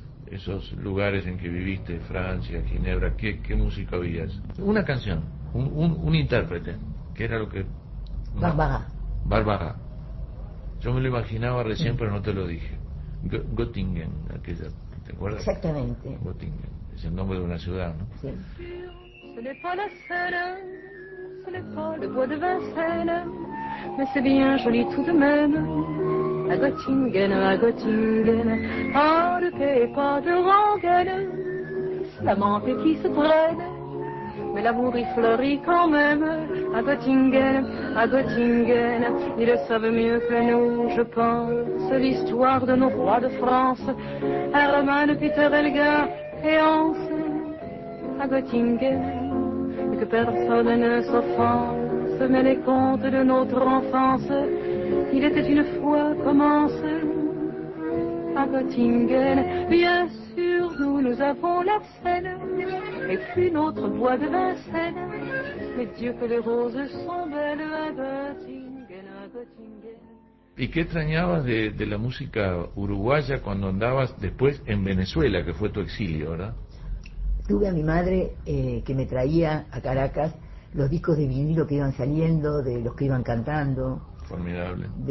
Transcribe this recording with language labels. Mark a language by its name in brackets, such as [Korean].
[Spanish] Esos lugares en que viviste, Francia, Ginebra, ¿qué música oías? Una canción, un intérprete, que era lo que más. Barbara. Bárbara. Yo me lo imaginaba recién, pero no te lo dije. Göttingen, aquella, ¿te acuerdas? Exactamente. Göttingen, es el nombre de una ciudad, ¿no? Sí. [French] Ce n'est pas la Seine, ce n'est pas le bois de Vincennes, mais c'est bien joli tout de même. À Göttingen, à Göttingen, par le pays, pas de rengaine, la menthe qui se traîne, mais l'amour y fleurit quand même. À Göttingen, ils savent mieux que nous, je pense, l'histoire de nos rois de France, Hermann, Peter, Elgar et Hans. À Göttingen, et que personne ne s'offense, mais les contes de notre enfance, il était une fois commence. À Göttingen, bien sûr, nous avons la Seine, et puis notre bois de Vincennes, mais Dieu que les roses sont belles à Göttingen, à Göttingen. [Spanish] ¿Y qué extrañabas de la música uruguaya cuando andabas después en Venezuela, que fue tu exilio, ¿verdad? Tuve a mi madre que me traía a Caracas los discos de vinilo que iban saliendo, de los que iban cantando. Formidable.